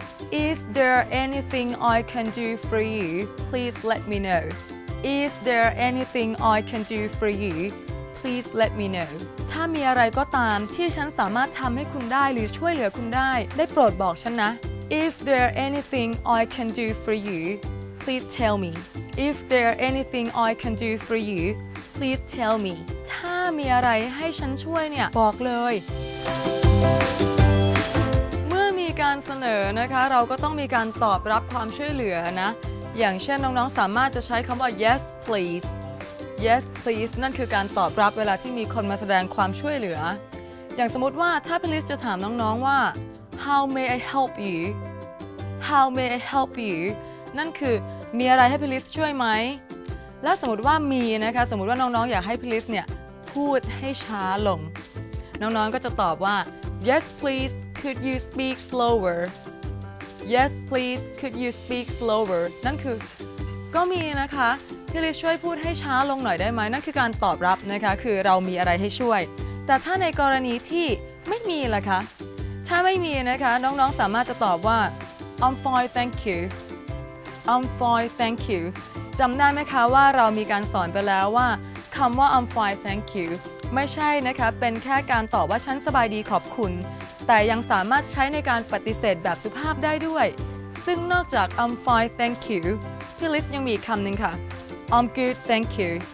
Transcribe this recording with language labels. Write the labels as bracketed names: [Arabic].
[English] Is there anything I can do for you? Please let me know. Is there anything I can do for you? Please let me know. [Thai] ถ้ามีอะไรก็ตามที่ฉันสามารถทำให้คุณได้หรือช่วยเหลือคุณได้ได้โปรดบอกฉันนะ [English] If there anything I can do for you, please tell me. If there anything I can do for you, please tell me. [Thai] ถ้ามีอะไรให้ฉันช่วยเนี่ยบอกเลยเมื่อมีการเสนอนะคะเราก็ต้องมีการตอบรับความช่วยเหลือนะอย่างเช่นน้องๆสามารถจะใช้คำว่า [English] yes pleaseYes, please. [Thai] นั่นคือการตอบรับเวลาที่มีคนมาแสดงความช่วยเหลืออย่างสมมติว่าถ้าพี่ลิสจะถามน้องๆว่า [English] How may I help you? How may I help you? [Thai] นั่นคือมีอะไรให้พี่ลิสช่วยไหมแล้วสมมติว่ามีนะคะสมมติว่าน้องๆอยากให้พี่ลิสเนี่ยพูดให้ช้าลงน้องๆก็จะตอบว่า [English] Yes, please, could you speak slower? Yes, please, could you speak slower? [Thai] นั่นคือก็มีนะคะพี่ลิสช่วยพูดให้ช้าลงหน่อยได้ไหมนั่นคือการตอบรับนะคะคือเรามีอะไรให้ช่วยแต่ถ้าในกรณีที่ไม่มีล่ะคะถ้าไม่มีนะคะน้องๆสามารถจะตอบว่า [English] I'm fine, thank you. I'm fine, thank you. [Thai] จำได้ไหมคะว่าเรามีการสอนไปแล้วว่าคำว่า [English] I'm fine, thank you [Thai] ไม่ใช่นะคะเป็นแค่การตอบว่าฉันสบายดีขอบคุณแต่ยังสามารถใช้ในการปฏิเสธแบบสุภาพได้ด้วยซึ่งนอกจาก I'm fine, thank you พี่ลิสยังมีคำหนึ่งค่ะ [English] I'm good, thank you.